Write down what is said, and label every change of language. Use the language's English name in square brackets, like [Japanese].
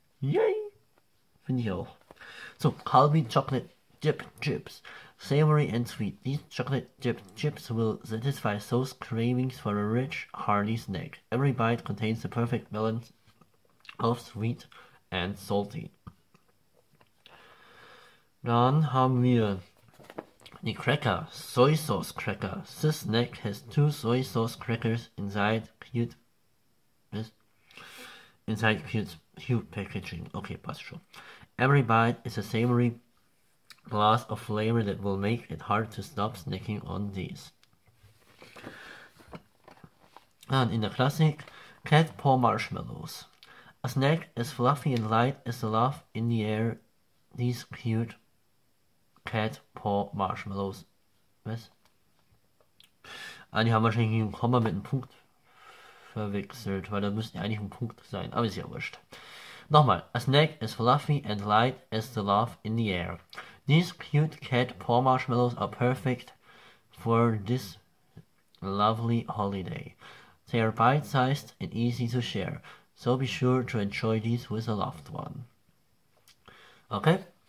[German] Yay! Finde ich auch. So, Calbee Chocolate Dip Chips. [English] Savory and sweet. These chocolate dip chips will satisfy those cravings for a rich, hearty snack. Every bite contains the perfect balance of sweet and salty. [German] Dann haben wir die Cracker, Soy Sauce Cracker. [English] This snack has two soy sauce crackers inside cute packaging. Okay, [German] passt schon. [English] Every bite is a savory blast of flavor that will make it hard to stop snacking on these. [German] Dann in der Klassik, [English] Cat Paw Marshmallows. A snack as fluffy and light as the love in the air, these cute Cat Paw Marshmallows. [German] Was? Ah, die haben wahrscheinlich ein Komma mit einem Punkt verwechselt, weil da müsste eigentlich ein Punkt sein. Aber ist ja wurscht. Nochmal. [English] A snack as fluffy and light as the love in the air. These cute Cat Paw Marshmallows are perfect for this lovely holiday. They are bite-sized and easy to share. So be sure to enjoy these with a loved one. Okay?